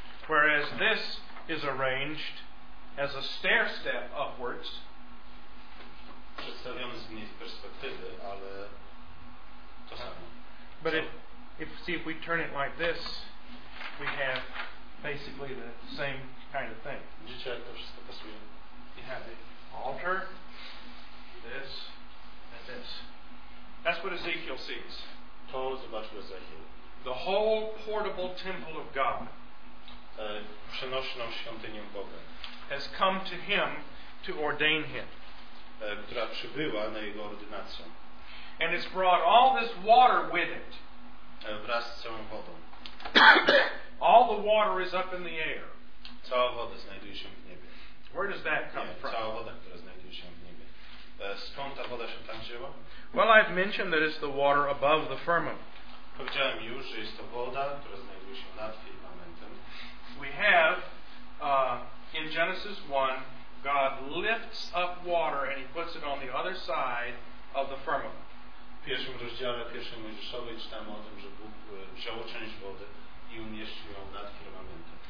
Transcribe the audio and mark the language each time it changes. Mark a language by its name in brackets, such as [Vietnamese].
[English] Whereas this is arranged as a stair step upwards. [Polish] Przedstawiony z innej perspektywy, ale to samo. [English] But if we turn it like this, we have basically the same kind of thing. [Polish] Widzicie, jak to wszystko pasuje? [English] You have the altar, this, and this. That's what Ezekiel sees. [Polish] To zobaczył Ezekiel. [English] The whole portable temple of God. [Polish] Przenośną świątynię Boga. [English] Has come to him to ordain him. [Polish] Która przybyła na jego ordynację. [English] And it's brought all this water with it. [Polish] Wraz z całą wodą. [English] All the water is up in the air. [Polish] Cała woda znajduje się w niebie. [English] Where does that come from? [Polish] Cała woda, która znajduje się w niebie. Skąd ta woda się tam wzięła? [English] Well, I've mentioned that it's the water above the firmament. [Polish] Powiedziałem już, że jest to woda, która znajduje się nad firmamentem. [English] We have in Genesis 1, God lifts up water and he puts it on the other side of the firmament. [Polish] W pierwszym rozdziale pierwszej Mojżeszowej czytamy o tym, że Bóg wziął część wody i umieścił ją nad firmamentem.